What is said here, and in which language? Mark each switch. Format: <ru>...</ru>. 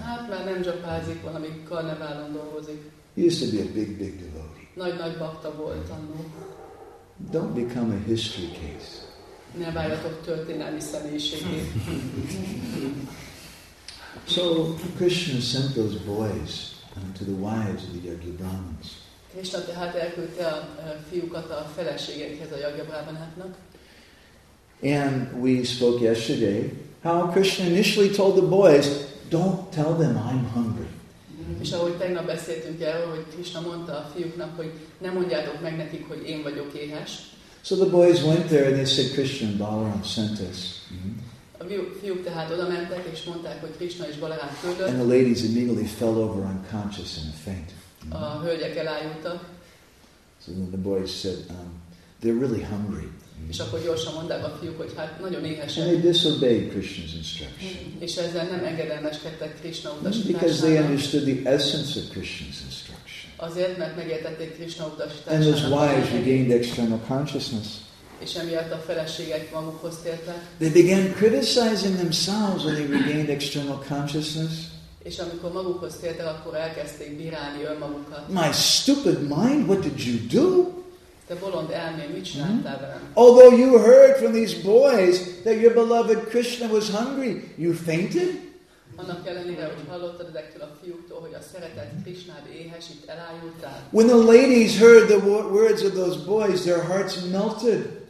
<hu>Hát már nem japázik, valami karneválon dolgozik.</hu> <en>He used to be a big, big devotee.</en> <hu>Nagy bakta volt annó.</hu> <en>Don't become a history case.</en> <hu>Ne váljatok történelmi személyiségét.</hu> <en>So Krishna sent those boys to the wives of the Yajna Brahmins.</en> <hu>Krishna tehát elküldte a fiúkat a feleségekhez a Yajna Brahmanáknak.</hu> <en>And we spoke yesterday how Krishna initially told the boys, "Don't tell them I'm hungry."</en> <hu>És ahogy tegnap beszéltünk erről, hogy Krishna mondta a fiúknak, hogy ne mondjátok meg nekik, hogy én vagyok éhes.</hu> <en>So the boys went there and they said, "Krishna and Balaram sent us."</en> <hu>A fiúk tehát oda mentek, és mondták, hogy Krishna és Balarám küldött.</hu> <en>And the ladies immediately fell over unconscious in a faint.</en> <hu>A hölgyek elájultak.</hu> <en>So then the boys said, they're really hungry.</en> <hu>És akkor gyorsan mondták a fiúk, hogy hát nagyon éhesek.</hu> <en>And they disobeyed Krishna's instruction.</en> <hu>És ezzel nem engedelmeskedtek Krishna utasításának.</hu> <en>Because they understood the essence of Krishna's instruction.</en> <hu>Azért, mert megértették Krishna utasításának.</hu> <en>And those wives regained external consciousness.</en> <hu>És emiatt a feleségek magukhoz tértek.</hu> <en>They began criticizing themselves when they regained external consciousness.</en> <hu>És amikor magukhoz tértek, akkor elkezdték bírálni önmagukat.</hu> <en>My stupid mind, what did you do?</en> <hu>Te bolond elmé, mit csináltál velem?</hu> <en>Although you heard from these boys that your beloved Krishna was hungry, you fainted?</en> <hu>Annak ellenére, hogy hallottad ezektől a fiúktól, hogy a szeretett Krishnád éhes, itt elájultál.</hu> <en>When the ladies heard the words of those boys, their hearts melted.</en>